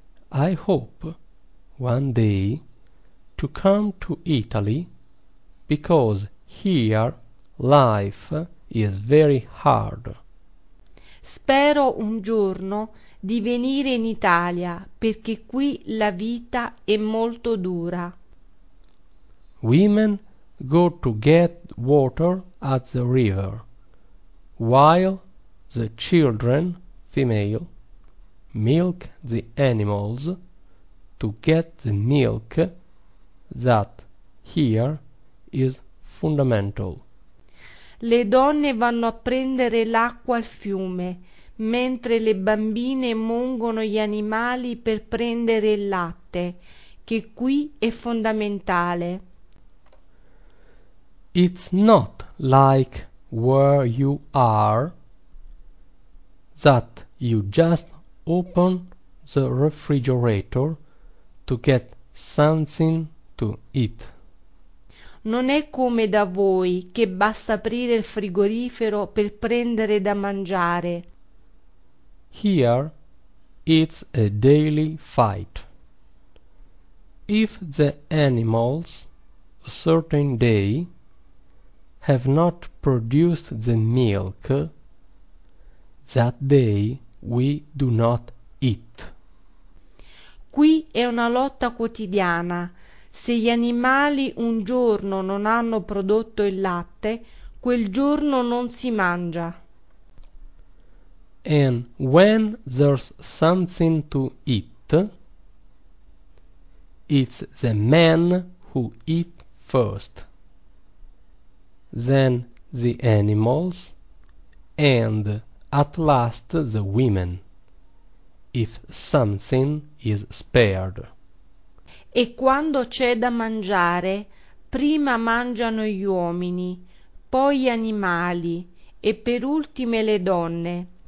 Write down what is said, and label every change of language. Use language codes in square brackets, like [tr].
[en] I hope one day to come to Italy because here life is very hard. [it] Spero un giorno di venire in Italia perché qui la vita è molto dura. [en] Women go to get water at the river, while the children, female, milk the animals to get the milk that here is fundamental. [it] Le donne vanno a prendere l'acqua al fiume, mentre le bambine mungono gli animali per prendere il latte, che qui è fondamentale. [en] It's not like where you are, that you just open the refrigerator to get something to eat. [it] Non è come da voi che basta aprire il frigorifero per prendere da mangiare. [en] Here it's a daily fight. If the animals a certain day have not produced the milk, that day we do not eat. [it] Qui è una lotta quotidiana. Se gli animali un giorno non hanno prodotto il latte, quel giorno non si mangia. [en] And when there's something to eat, it's the man who eat first, then the animals, and at last the women, if something is spared. [it] E quando c'è da mangiare, prima mangiano gli uomini, poi gli animali e per ultime le donne.